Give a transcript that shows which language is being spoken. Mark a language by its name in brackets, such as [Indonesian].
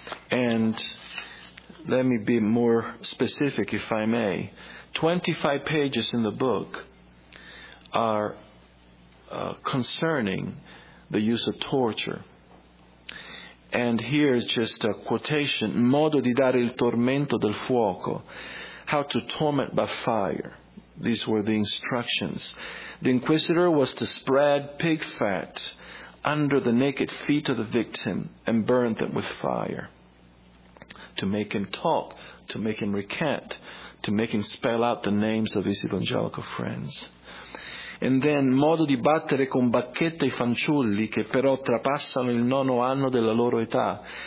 [English] And let me be more specific, if I may. 25 pages in the book are concerning the use of torture. And here is just a quotation. [Italian] Modo di dare il tormento del fuoco. [English] How to torment by fire. These were the instructions. The inquisitor was to spread pig fat under the naked feet of the victim and burn them with fire. To make him talk, to make him recant, to make him spell out the names of his evangelical friends. And then, [Italian] modo di battere con bacchetta i fanciulli che però trapassano il nono anno della loro età.